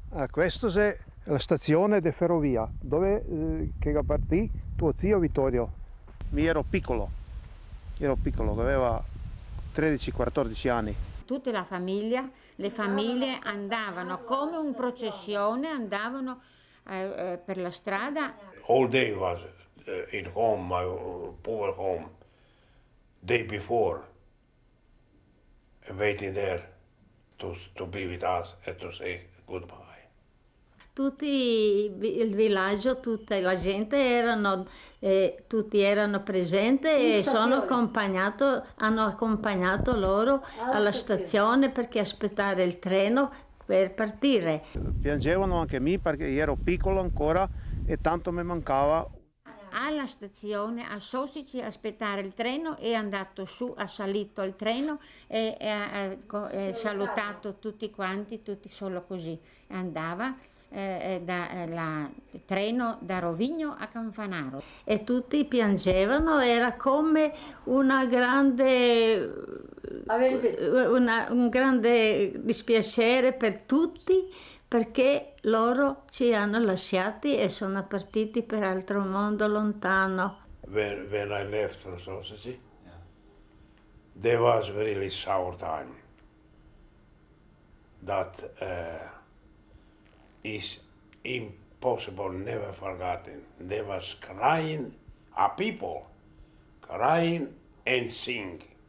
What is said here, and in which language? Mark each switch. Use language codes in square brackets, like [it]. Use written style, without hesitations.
[it] Questo è la stazione di ferrovia dove che partì tuo zio Vittorio. Io ero piccolo. Aveva 13-14 anni. Tutta la famiglia, le famiglie andavano come un processione, andavano per la strada. [en] All day was in home, my poor home. Day before waiting there to be with us and to say goodbye. [it] Tutti il villaggio, tutta la gente erano, tutti erano presenti e hanno accompagnato loro alla stazione perché aspettare il treno per partire. Piangevano anche me perché io ero piccolo ancora e tanto mi mancava. Alla stazione, a Sossi, aspettare il treno, è andato su, ha salito il treno e ha salutato tutti quanti, tutti solo così. Andava. Il treno da Rovigno a Campanaro e tutti piangevano, era come una grande un grande dispiacere per tutti perché loro ci hanno lasciati e sono partiti per altro mondo lontano. [en] When I left for Sossi, there was really sour time that is impossible, never forgotten. They was crying, a people crying and sing.